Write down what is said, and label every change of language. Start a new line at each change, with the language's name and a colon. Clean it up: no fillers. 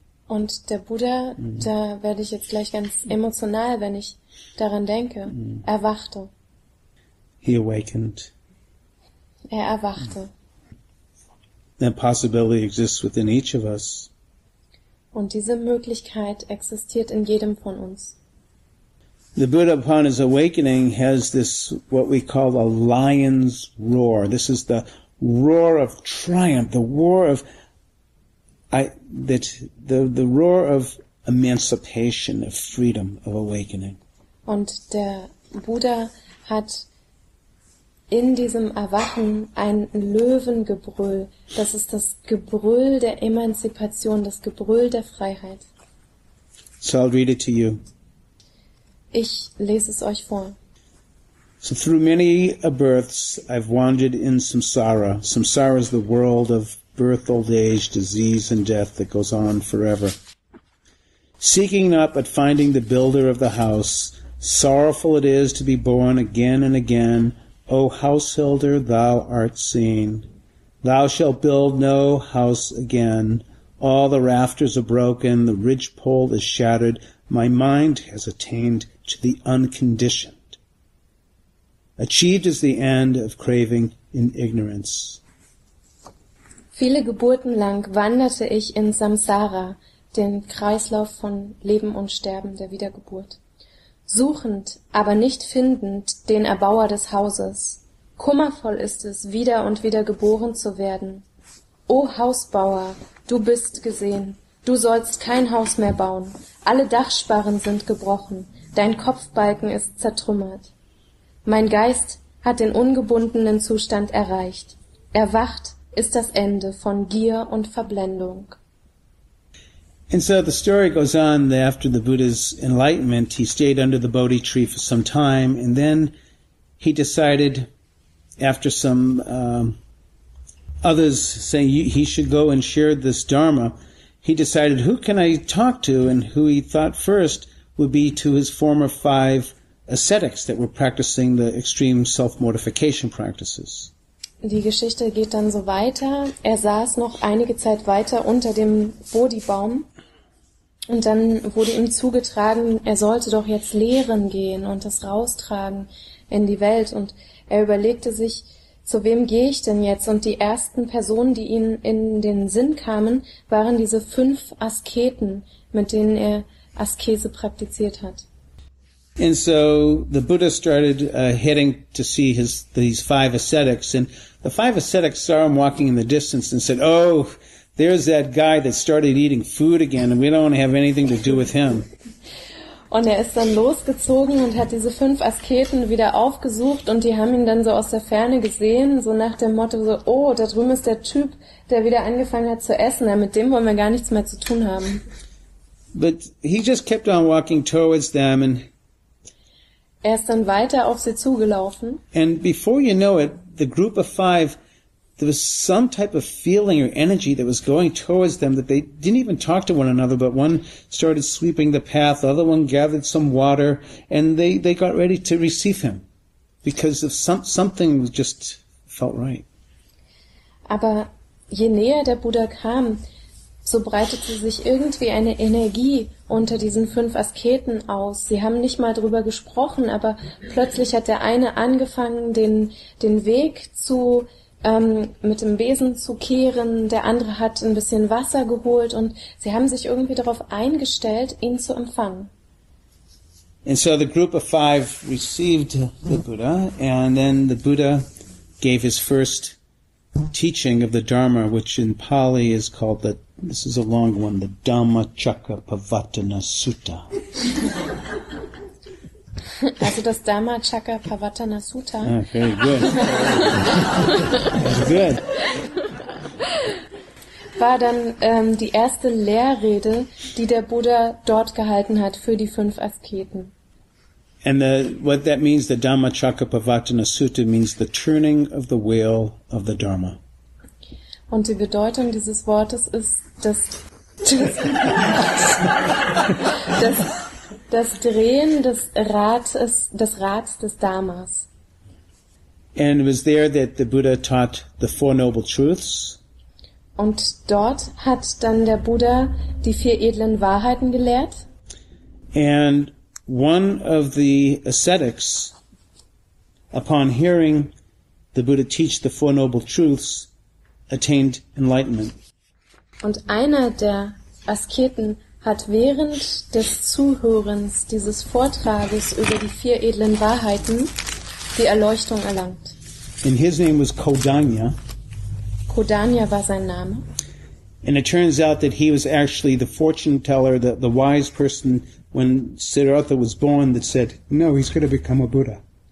German: Und der Buddha, da werde ich jetzt gleich ganz emotional, wenn ich daran denke, erwachte.
English: He awakened.
German: Er erwachte.
English: That possibility exists within each of us.
German: Und diese Möglichkeit existiert in jedem von uns.
English: The Buddha, upon his awakening, has this, what we call a lion's roar. This is the roar of triumph, the roar of emancipation, of freedom, of awakening.
German: Und der Buddha hat in diesem Erwachen ein Löwengebrüll. Das ist das Gebrüll der Emanzipation, das Gebrüll der Freiheit.
English: So I'll read it to you.
German: Ich lese es euch vor.
English: So through many births I've wandered in samsara. Samsara is the world of birth, old age, disease and death that goes on forever. Seeking not but finding the builder of the house, sorrowful it is to be born again and again. O householder, thou art seen. Thou shalt build no house again. All the rafters are broken, the ridgepole is shattered. My mind has attained to the unconditioned. Achieved is the end of craving in ignorance.
German: Viele Geburten lang wanderte ich in Samsara, den Kreislauf von Leben und Sterben der Wiedergeburt. Suchend, aber nicht findend, den Erbauer des Hauses. Kummervoll ist es, wieder und wieder geboren zu werden. O Hausbauer, du bist gesehen, du sollst kein Haus mehr bauen. Alle Dachsparren sind gebrochen, dein Kopfbalken ist zertrümmert. Mein Geist hat den ungebundenen Zustand erreicht. Erwacht ist das Ende von Gier und Verblendung.
English: And so the story goes on that after the Buddha's enlightenment, he stayed under the Bodhi tree for some time, and then he decided, after some others saying he should go and share this Dharma, he decided, who can I talk to? And who he thought first would be to his former five ascetics that were practicing the extreme self-mortification practices.
German: Die Geschichte geht dann so weiter. Er saß noch einige Zeit weiter unter dem Bodhi-Baum. Und dann wurde ihm zugetragen, er sollte doch jetzt lehren gehen und das raustragen in die Welt. Und er überlegte sich, zu wem gehe ich denn jetzt? Und die ersten Personen, die ihm in den Sinn kamen, waren diese fünf Asketen, mit denen er Askese praktiziert hat.
English: And so the Buddha started heading to see these five ascetics. And the five ascetics saw him walking in the distance and said, oh, there's that guy that started eating food again, and we don't want to have anything to do with him.
German: Und er ist dann losgezogen und hat diese fünf Asketen wieder aufgesucht, und die haben ihn dann so aus der Ferne gesehen, so nach dem Motto, so, oh, da drüben ist der Typ, der wieder angefangen hat zu essen, ja, mit dem wollen wir gar nichts mehr zu tun haben.
English: But he just kept on walking towards them, and
German: er ist dann weiter auf sie zugelaufen.
English: And before you know it, the group of five, there was some type of feeling or energy that was going towards them that they didn't even talk to one another, but one started sweeping the path, the other one gathered some water, and they got ready to receive him because of something just felt right.
German: Aber je näher der Buddha kam, so breitete sich irgendwie eine Energie unter diesen fünf Asketen aus. Sie haben nicht mal drüber gesprochen, aber plötzlich hat der eine angefangen, den Weg zu mit dem Besen zu kehren, der andere hat ein bisschen Wasser geholt, und sie haben sich irgendwie darauf eingestellt, ihn zu empfangen.
English: And so the group of five received the Buddha, and then the Buddha gave his first teaching of the Dharma, which in Pali is called the, this is a long one, the Dhammacakkappavattana Sutta.
German: Also das Dharma Chakra Pavattana Sutta.
English: Okay, good. Good.
German: War dann die erste Lehrrede, die der Buddha dort gehalten hat für die fünf Asketen.
English: And the, what that means, the Dhamma Chakra Pavattana Sutta means the turning of the wheel of the Dharma.
German: Und die Bedeutung dieses Wortes ist das Drehen des Rates, des Rats des Dharmas.
English: And it was there that the Buddha taught the Four Noble Truths.
German: Und dort hat dann der Buddha die vier edlen Wahrheiten gelehrt.
English: And one of the ascetics, upon hearing the Buddha teach the Four Noble Truths, attained enlightenment.
German: Und einer der Asketen hat während des Zuhörens dieses Vortrages über die vier edlen Wahrheiten die Erleuchtung erlangt.
English: And his name was Kodanya.
German: Kodanya war sein Name.
English: And it turns out that he was actually the fortune teller, the wise person when Siddhartha was born that said, no, he's going to become a Buddha.